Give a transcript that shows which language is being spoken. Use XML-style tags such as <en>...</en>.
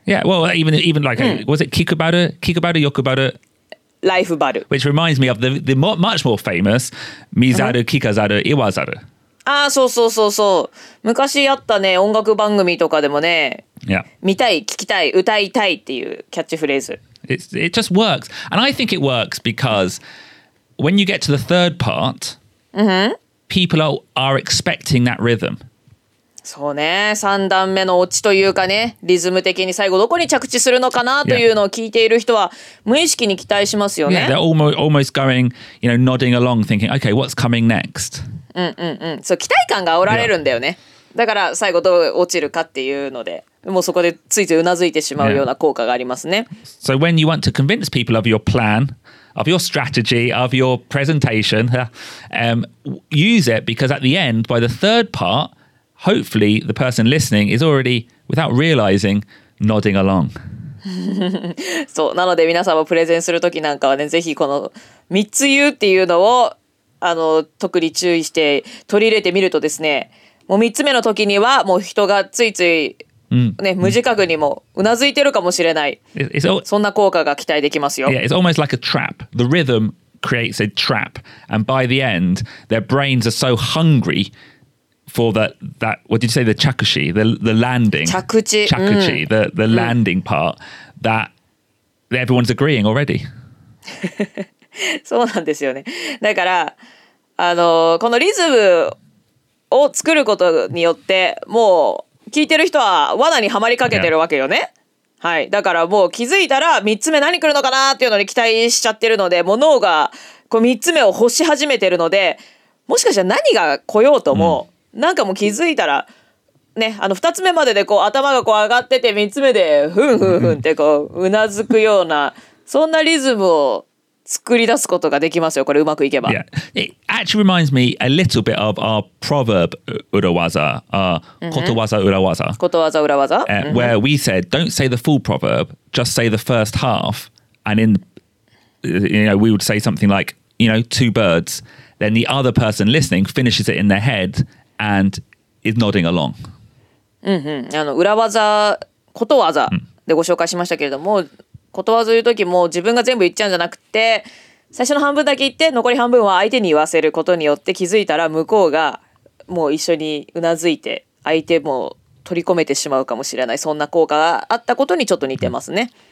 <en>Yeah, well, even like,、うん、was it</en> <ja>気配る、気配る、欲張る、ライフバル。</ja> <en>Which reminds me of the much more famous,</en> <ja>見ざる、聞かざる、言わざる。あーそうそうそうそう、昔あったね音楽番組とかでもね、</ja> <en>yeah.</en> <ja>見たい聞きたい歌いたいっていうキャッチフレーズ、</ja> <en>It just works. And I think it works because when you get to the third part,、 mm-hmm. people are expecting that rhythm.</en> <ja>そうね。三段目のオチというかね、リズム的に最後どこに着地するのかなというのを聞いている人は無意識に期待しますよね。</ja> <en>Yeah, they're almost going, you know, nodding along, thinking, okay, what's coming next?</en> <ja>うんうんうん。そう、期待感が煽られるんだよね。</ja> <en>Yeah.</en> <ja>だから最後どう落ちるかっていうので。もうそこでついついうなずいてしまうような効果がありますね。</ja> <en>Yeah. So when you want to convince people of your plan, of your strategy, of your presentation, use it because at the end, by the third part, hopefully the person listening is already, without realizing, nodding along.</en> <ja>そう、なので皆さんもプレゼンするときなんかはね、ぜひこの3つ言うっていうのを特に注意して取り入れてみるとですね、もう3つ目のときにはもう人がついついね、無自覚にもうなずいてるかもしれない。そんな効果が期待できますよ。</ja> <en>Yeah, it's almost like a trap. The rhythm creates a trap. And by the end, their brains are so hungry for that what did you say, the chakushi, the landing.</en> <ja>着地。</ja> <en>Chakushi, the landing part, that everyone's agreeing already.</en> <ja>そうなんですよね。だから、このリズムを作ることによって、もう、聞いてる人は罠にはまりかけてるわけよね、yeah. はい、だからもう気づいたら3つ目何来るのかなっていうのに期待しちゃってるので、もう脳がこう3つ目を欲し始めてるので、もしかしたら何が来ようとも、mm. なんかもう気づいたらね、2つ目まででこう頭がこう上がってて、3つ目でふんふんふんってこううなずくようなそんなリズムを作り出すことができますよ、これうまくいけば。</ja> <en>Yeah. It actually reminds me a little bit of our proverb urawaza, kotowaza urawaza.</en> <ja>Kotowaza urawaza.</ja> <en>Where we said, don't say the full proverb, just say the first half. And in, you know, we would say something like, you know, two birds. Then the other person listening finishes it in their head and is nodding along.</en> <ja>Urawaza, kotowaza でご紹介しましたけれども、ことわざ言うときも自分が全部言っちゃうんじゃなくて、最初の半分だけ言って残り半分は相手に言わせることによって、気づいたら向こうがもう一緒にうなずいて相手も取り込めてしまうかもしれない、そんな効果があったことにちょっと似てますね。</ja>